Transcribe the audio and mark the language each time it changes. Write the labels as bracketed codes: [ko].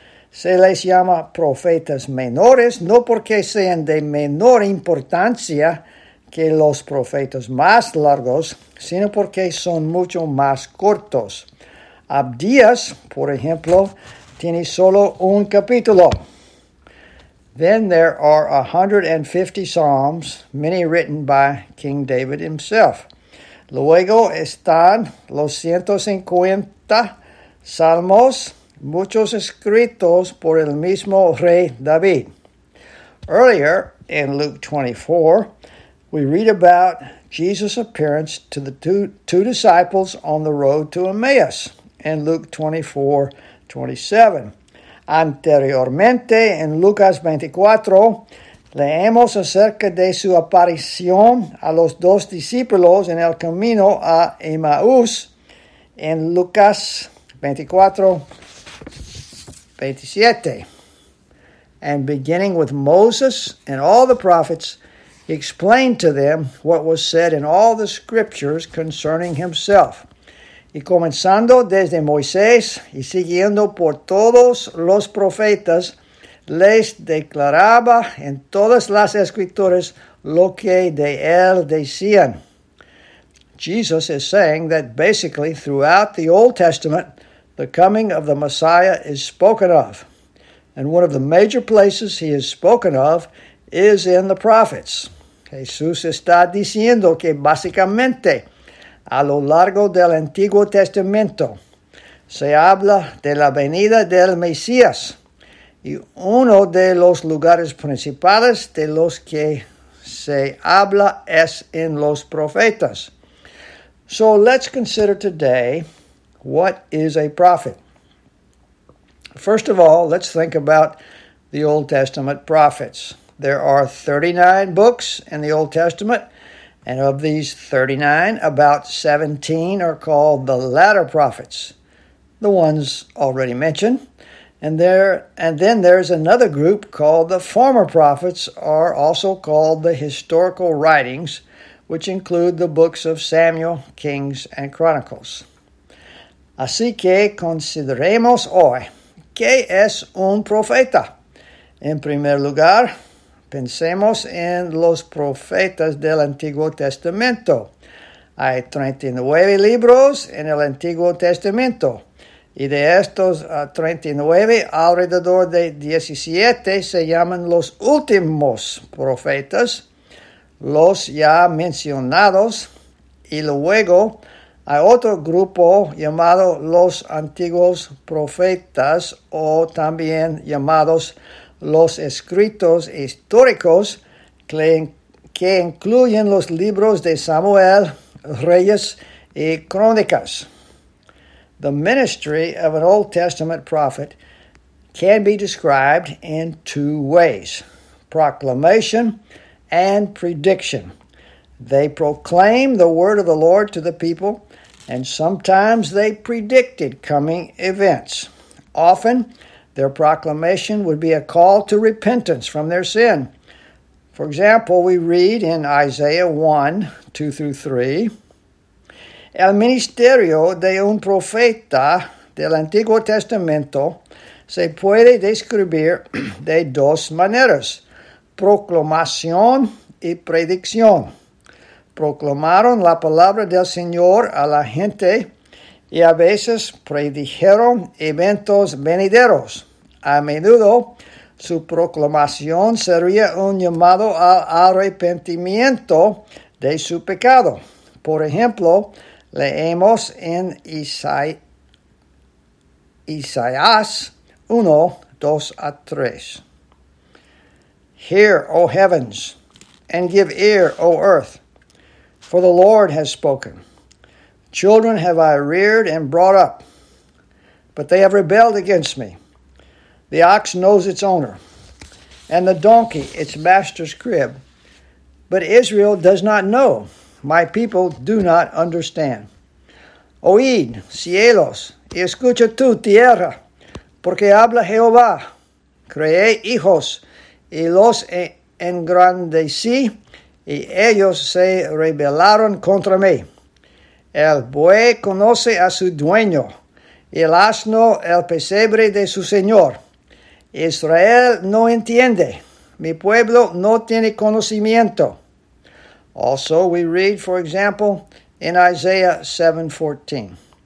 [es] Se les llama profetas menores no porque sean de menor importancia que los profetas más largos, sino porque son mucho más cortos. Abdías, por ejemplo, tiene solo un capítulo. [en] Then there are 150 psalms, many written by King David himself. [es] Luego están los 150 salmos, muchos escritos por el mismo rey David. [en] Earlier in Luke 24, we read about Jesus' appearance to the two disciples on the road to Emmaus in Luke 24, 27. [es] Anteriormente, en Lucas 24, leemos acerca de su aparición a los dos discípulos en el camino a Emmaús en Lucas 24, 27. [en] And beginning with Moses and all the prophets, he explained to them what was said in all the scriptures concerning himself. [es] Y comenzando desde Moisés y siguiendo por todos los profetas, les declaraba en todas las escrituras lo que de él decían. [en] Jesus is saying that basically throughout the Old Testament, the coming of the Messiah is spoken of. And one of the major places he is spoken of is in the prophets. [es] Jesús está diciendo que básicamente a lo largo del Antiguo Testamento se habla de la venida del Mesías. Y uno de los lugares principales de los que se habla es en los profetas. [en] So let's consider today, what is a prophet? First of all, let's think about the Old Testament prophets. There are 39 books in the Old Testament, and of these 39, about 17 are called the latter prophets, the ones already mentioned. And then there's another group called the former prophets, or also called the historical writings, which include the books of Samuel, Kings, and Chronicles. [es] Así que consideremos hoy, ¿qué es un profeta? En primer lugar, pensemos en los profetas del Antiguo Testamento. Hay 39 libros en el Antiguo Testamento. Y de estos 39, alrededor de 17 se llaman los últimos profetas, los ya mencionados. Y luego hay otro grupo llamado los antiguos profetas, o también llamados los escritos históricos, que incluyen los libros de Samuel, Reyes y Crónicas. [en] The ministry of an Old Testament prophet can be described in two ways, proclamation and prediction. They proclaim the word of the Lord to the people, and sometimes they predicted coming events. Often, their proclamation would be a call to repentance from their sin. For example, we read in Isaiah 1, 2 through 3, [es] El ministerio de un profeta del Antiguo Testamento se puede describir de dos maneras, proclamación y predicción. Proclamaron la palabra del Señor a la gente y a veces predijeron eventos venideros. A menudo, su proclamación sería un llamado al arrepentimiento de su pecado. Por ejemplo, leemos en Isaías 1, 2 a 3. [en] Hear, O heavens, and give ear, O earth, for the Lord has spoken. Children have I reared and brought up, but they have rebelled against me. The ox knows its owner, and the donkey its master's crib. But Israel does not know. My people do not understand. [es] Oíd, cielos, y escucha tú, tierra, porque habla Jehová. Creé hijos, y los engrandecí, y ellos se rebelaron contra mí. El buey conoce a su dueño, y el asno el pesebre de su señor. Israel no entiende, mi pueblo no tiene conocimiento. [en] Also, we read, for example, in Isaiah 7:14.